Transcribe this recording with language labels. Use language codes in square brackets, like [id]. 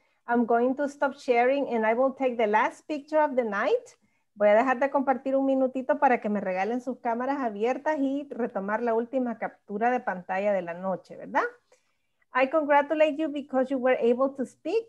[en] I'm going to stop sharing and I will take the last picture of the night. [es] Voy a dejar de compartir un minutito para que me regalen sus cámaras abiertas y retomar la última captura de pantalla de la noche, ¿verdad? [en] I congratulate you because you were able to speak.